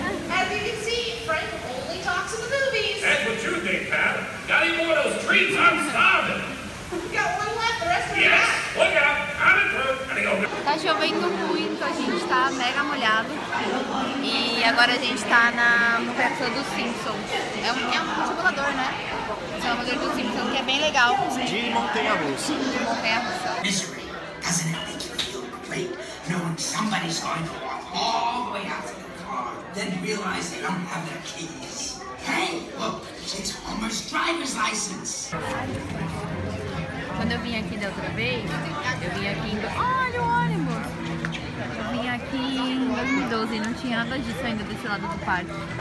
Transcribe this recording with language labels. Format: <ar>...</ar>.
<en>As you can see, Frank only talks in the movies. That's what you think, pal. Got any more of those treats? I'm starving. We got one left, the rest of the yes, look out. I'm in front.</en> <pt>Tá tá chovendo muito, a gente tá mega molhado. E agora a gente tá no pé do Simpson. É um simulador, né? O simulador do Simpson, que é bem legal. De montanha russa. De montanha russa.</pt> <en>Misery, doesn't it make you feel great knowing somebody's going to walk all the way out to the car, then realize they don't have their keys? Hey, look, it's Homer's driver's license.</en> <pt>Quando eu vim aqui da outra vez, eu vim aqui indo. Olha o ônibus! Eu vim aqui em 2012 e não tinha nada disso ainda desse lado do parque.</pt>